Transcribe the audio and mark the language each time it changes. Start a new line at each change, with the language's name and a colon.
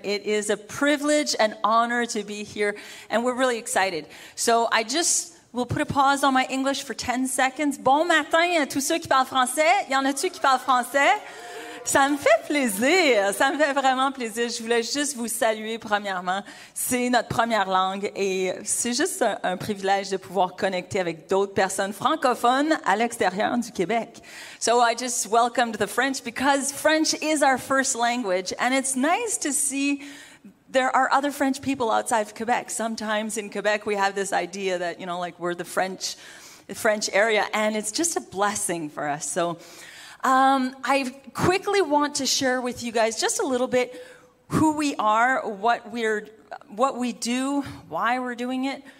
English: It is a privilege and honor to be here, and we're really excited. So I just will put a pause on my English for 10 seconds.
French: Bon matin à tous ceux qui parlent français. Y en a-tu qui parlent français? Ça me fait plaisir. Ça me fait vraiment plaisir. Je voulais juste vous saluer premièrement. C'est notre première langue et c'est juste un privilège de pouvoir connecter avec d'autres personnes francophones à l'extérieur du Québec.
English: So I just welcomed the French because French is our first language and it's nice to see there are other French people outside of Quebec. Sometimes in Quebec we have this idea that, you know, like we're the French area and it's just a blessing for us. So I quickly want to share with you guys just a little bit who we are, what we do, why we're doing it.